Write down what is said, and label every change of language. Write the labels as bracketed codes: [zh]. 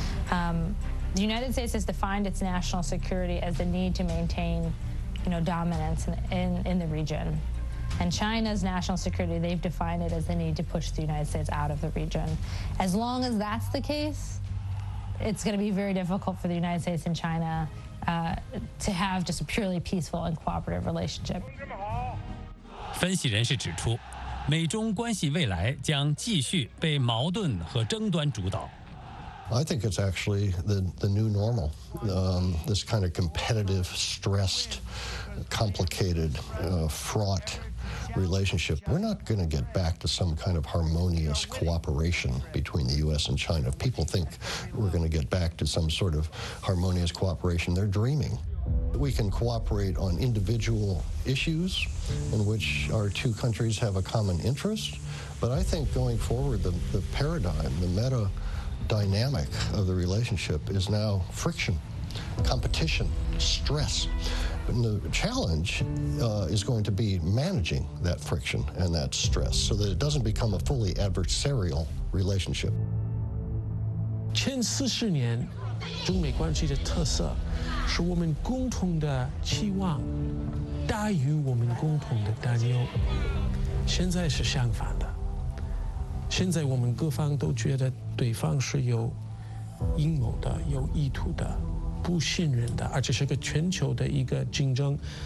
[en] The United States has defined its national security as the need to maintainyou know, dominance in the region. And China's national security, they've defined it as the need to push the United States out of the region. As long as that's the case, it's going to be very difficult for the United States and China to have just a purely peaceful and cooperative relationship. [zh] 分析人士指出，美中关系未来将继续被矛盾和争端主导。 [en] I think it's actually the new normal, this kind of competitive, stressed, complicated, fraught relationship. We're not going to get back to some kind of harmonious cooperation between the U.S. and China. If people think we're going to get back to some sort of harmonious cooperation, they're dreaming. We can cooperate on individual issues in which our two countries have a common interest, but I think going forward, the paradigm, the meta,dynamic of the relationship is now friction, competition, stress. And the challenge is going to be managing that friction and that stress so that it doesn't become a fully adversarial relationship. [zh] 前四十年中美关系的特色是我们共同的期望大于我们共同的担忧。现在是相反的。现在我们各方都觉得对方是有阴谋的、有意图的、不信任的，而且是个全球的一个竞争。